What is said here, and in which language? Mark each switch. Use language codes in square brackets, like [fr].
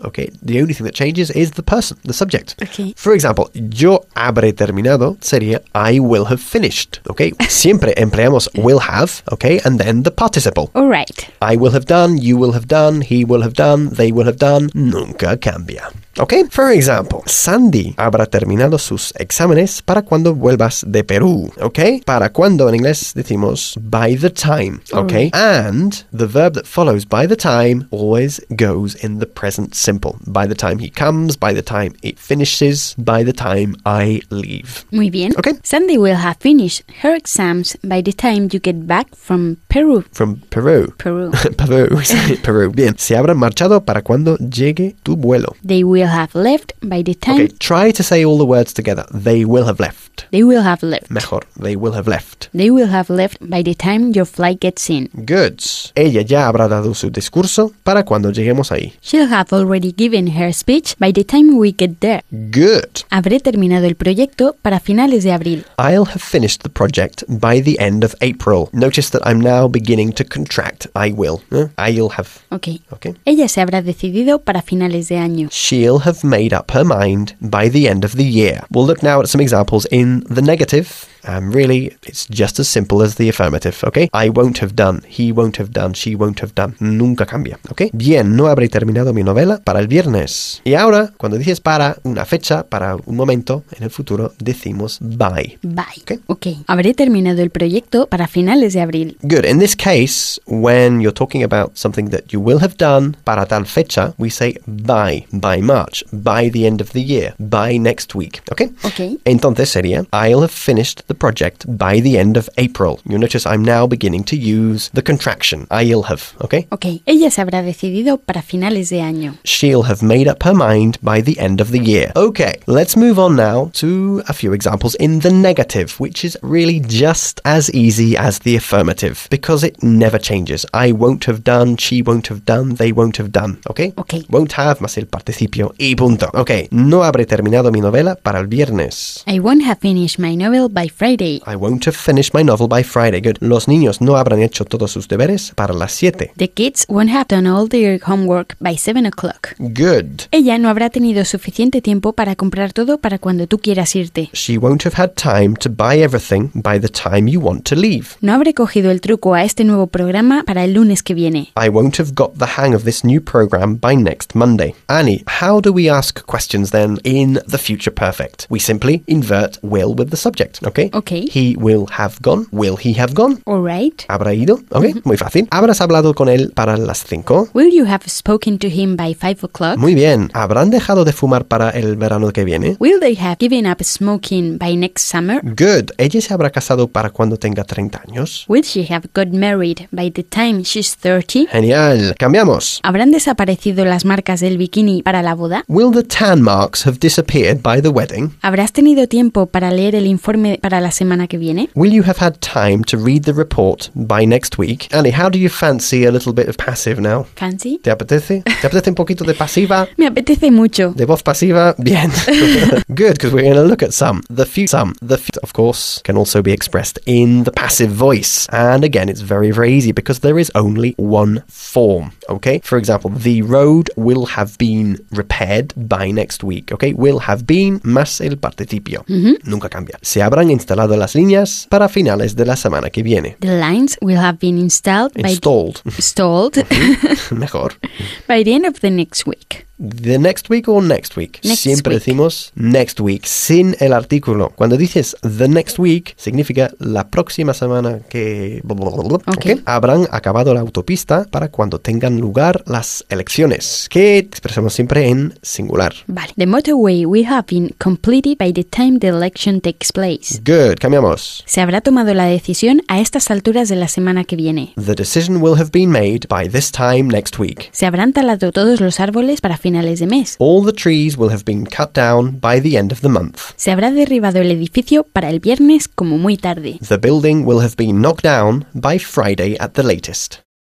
[en] Okay, the only thing that changes is the person, the subject. Okay. For example, [es] yo habré terminado sería [en] I will have finished. Okay, [es] siempre empleamos [en] will have, okay, and then the participle. All right. I will have done, you will have done, he will have done, they will have done, [es] nunca cambia. [en] Okay, for example, [es] Sandy habrá terminado sus exámenes para cuando vuelvas de Perú. Okay, para cuando en inglés decimos [en] by the time. Okay, and the verb that follows by the time always goes in the present simple. By the time he comes, by the time it finishes, by the time I leave. [es] Muy bien. [en] Okay. Sandy will have finished her exams by the time you get back from Peru. From Peru. Peru. Peru. Peru. Bien. [es] Se habrá marchado para cuando llegue tu vuelo. [en] They will have left by the time. Okay, try to say all the words together. They will have left. They will have left. Mejor. They will have left. They will have left by the time your flight gets in. Good. [es] Ella ya habrá dado su discurso para cuando lleguemos ahí. [en] She'll have already given her speech by the time we get there. Good. [es] Habré terminado el proyecto para finales de abril. [en] I'll have finished the project by the end of April. Notice that I'm now beginning to contract. I will. I'll have. Okay. Okay. [es] Ella se habrá decidido para finales de año. [en] She'll have made up her mind by the end of the year. We'll look now at some examples in the negative. Really, it's just as simple as the affirmative, okay? I won't have done, he won't have done, she won't have done. [es] Nunca cambia, [en] okay? [es] Bien, no habré terminado mi novela para el viernes. Y ahora, cuando dices para una fecha, para un momento en el futuro, decimos by. [en] By. Okay? Okay. [es] Habré terminado el proyecto para finales de abril. [en] Good. In this case, when you're talking about something that you will have done [es] para tal fecha, [en] we say by. By March. By the end of the year. By next week. Okay? Okay. [es] Entonces sería, [en] I'll have finished the project by the end of April. You notice I'm now beginning to use the contraction. I'll have, okay? Okay. Ella se habrá decidido para finales de año. She'll have made up her mind by the end of the year. Okay. Let's move on now to a few examples in the negative, which is really just as easy as the affirmative because it never changes. I won't have done, she won't have done, they won't have done. Okay? Okay. Won't have, [es] más el participio y punto. Okay. No habré terminado mi novela para el viernes. [en] I won't have finished my novel by Friday. I won't have finished my novel by Friday. Good. [es] Los niños no habrán hecho todos sus deberes para las 7. [en] The kids won't have done all their homework by 7 o'clock. Good. [es] Ella no habrá tenido suficiente tiempo para comprar todo para cuando tú quieras irte. [en] She won't have had time to buy everything by the time you want to leave. [es] No habré cogido el truco a este nuevo programa para el lunes que viene. [en] I won't have got the hang of this new program by next Monday. Annie, how do we ask questions then in the future perfect? We simply invert will with the subject. Okay. Okay. He will have gone. Will he have gone? All right. [es] ¿Habrá ido? Okay, muy fácil. ¿Habrás hablado con él para las 5? [en] Will you have spoken to him by 5 o'clock? [es] Muy bien. ¿Habrán dejado de fumar para el verano que viene? [en] Will they have given up smoking by next summer? Good. [es] ¿Ella se habrá casado para cuando tenga 30 años? [en] Will she have got married by the time she's 30? [es] Genial. Cambiamos. ¿Habrán desaparecido las marcas del bikini para la boda? [en] Will the tan marks have disappeared by the wedding? [es] ¿Habrás tenido tiempo para leer el informe para la semana que viene? [en] Will you have had time to read the report by next week? Annie, how do you fancy a little bit of passive now? Fancy? [es] ¿Te apetece? ¿Te apetece un poquito de pasiva? Me apetece mucho. ¿De voz pasiva? Bien. [en] Good, because we're going to look at some. The few, of course, can also be expressed in the passive voice. And again, it's very, very easy because there is only one form, okay? For example, the road will have been repaired by next week, okay? Will have been [es] más el participio. Mm-hmm. Nunca cambia. Se habrá instalado las líneas para finales de la semana que viene. [en] The lines will have been installed. Installed. Installed. [es] Mejor. [en] By the end of the next week. The next week or next week? Next [es] Siempre [en] week. [es] Decimos next week, sin el artículo. Cuando dices the next week, significa la próxima semana que... [en] Okay. [es] Habrán acabado la autopista para cuando tengan lugar las elecciones, que expresamos siempre en singular. Vale. [en] The motorway will have been completed by the time the election takes place. Good. Cambiamos. [es] Se habrá tomado la decisión a estas alturas de la semana que viene. [en] The decision will have been made by this time next week. [es] Se habrán talado todos los árboles para finales de mes. [en] All the trees will have been cut down by the end of the month. [es] Se habrá derribado el edificio para el viernes como muy tarde. [en] The building will have been knocked down by Friday at the latest.